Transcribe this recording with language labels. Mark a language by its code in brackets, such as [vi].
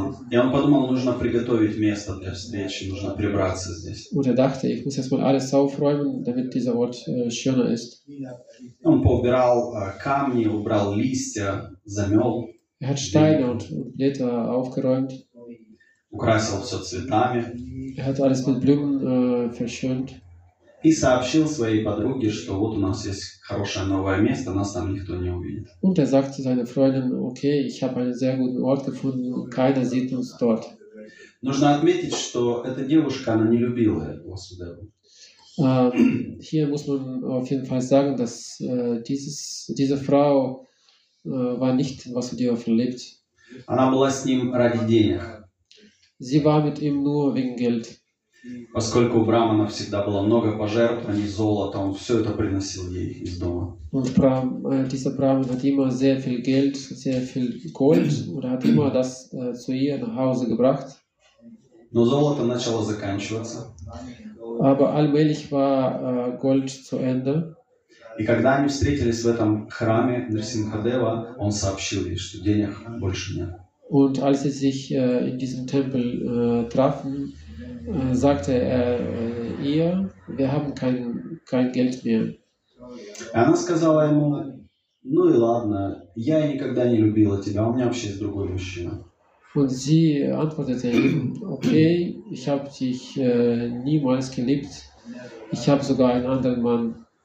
[ru] И он подумал, нужно приготовить место для встречи, нужно прибраться здесь. [de] Und dachte, ich muss jetzt mal alles aufräumen, damit dieser Ort schöner ist. [ru] Он поубирал камни, убрал листья, замел. [de] Er hat Steine und Blätter aufgeräumt. [ru] Украсил все цветами. [de] Er hat alles mit Blumen verschönt. [ru] И сообщил своей подруге, что вот у нас есть хорошее новое место, нас там никто не увидит. [de] Und sagte seiner Freundin, okay, ich habe einen sehr guten Ort gefunden, keiner sieht uns dort. [ru] Нужно отметить, что эта девушка, она не любила Васудеву. [de] Hier muss man auf jeden Fall sagen, dass diese Frau war nicht in Васудева verliebt. [ru] Она была с ним ради денег. [de] Sie war mit ihm nur wegen Geld. [ru] Поскольку у брахмана всегда было много пожертвований, золота, он все это приносил ей из дома. [de] Und dieser Brahmin hat immer sehr viel Geld, sehr viel Gold, und hat immer das zu ihr nach Hause gebracht. [ru] Но золото начало заканчиваться. [de] Aber allmählich war Gold zu Ende. [ru] И когда они встретились в этом храме Нарсимхадева, он сообщил ей, что денег больше нет. [de] Und als sie sich in diesem Tempel trafen, sagte er ihr, wir haben kein Geld mehr. [ru] Она сказала ему, ну и ладно, я никогда не любила тебя, у меня вообще есть другой мужчина. [de] Und sie antwortete ihm, okay, ich habe dich niemals geliebt, ich habe sogar einen anderen Mann.